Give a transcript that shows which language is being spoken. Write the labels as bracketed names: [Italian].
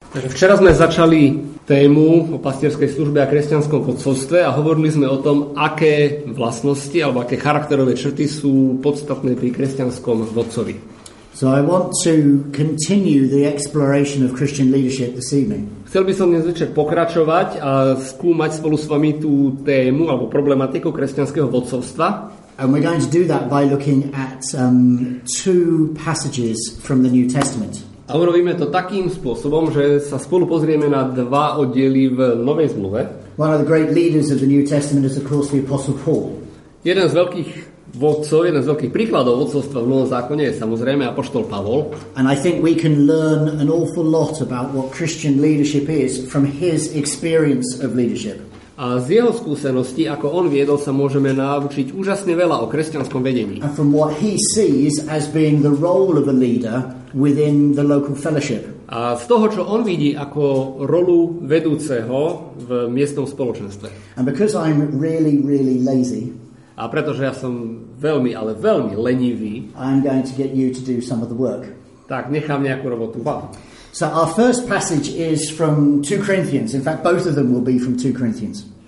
[Slovak] Takže včera sme začali tému o pastierskej službe a kresťanskom vodcovstve a hovorili sme o tom, aké vlastnosti alebo aké charakterové črty sú podstatné pri kresťanskom vodcovi. [English] So I want to continue the exploration of Christian leadership this evening. [Slovak] Chcel by som dnes večer pokračovať a skúmať spolu s vami tú tému alebo problematiku kresťanského vodcovstva. [English] And we're going to do that by looking at two passages from the New Testament. [Slovak] A urobíme to takým spôsobom, že sa spolu pozrieme na dva oddiely v Novej zmluve. [English] One of the great leaders of the New Testament is of course the Apostle Paul. [Slovak] Jeden z veľkých vodcov, jeden z veľkých príkladov vodcovstva v Novom zákone je samozrejme apoštol Pavol. [English] And I think we can learn an awful lot about what Christian leadership is from his experience of leadership. [Slovak] A z jeho skúseností, ako on viedol, sa môžeme naučiť úžasne veľa o kresťanskom vedení. [English] And from what he sees as being the role of a leader within the local fellowship. [Slovak] A z toho, čo on vidí ako rolu vedúceho v miestnom spoločenstve. [English] And because I'm really, really lazy, [Slovak] a pretože ja som veľmi, ale veľmi lenivý, [English] I'm going to get you to do some of the work. [Slovak] Tak nechám nejakú robotu vám. [English] So our first passage is from 2 Corinthians. In fact, both of them will be from 2 Corinthians.